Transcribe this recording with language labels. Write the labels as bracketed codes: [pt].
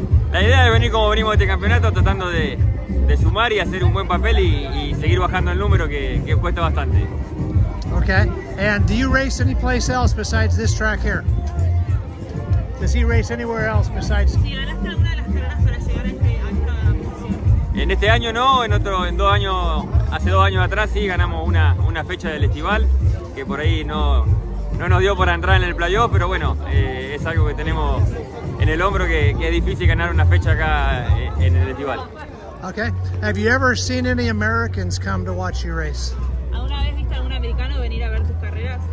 [es] La idea de venir como venimos de este campeonato, tratando de sumar y hacer un buen papel y seguir bajando el número que cuesta bastante. [en] Okay. And do you race any place else besides this track here? Does he race anywhere else besides? [es] Sí, ganaste alguna de las carreras para llegar a esta posición. En este año no, hace dos años atrás sí ganamos una fecha del estival que por ahí no nos dio para entrar en el playoff, pero bueno, es algo que tenemos en el hombro que es difícil ganar una fecha acá en el estival. [en] Okay. Have you ever seen any Americans come to watch you race? [es] ¿Alguna vez viste a algún americano venir a ver tus carreras?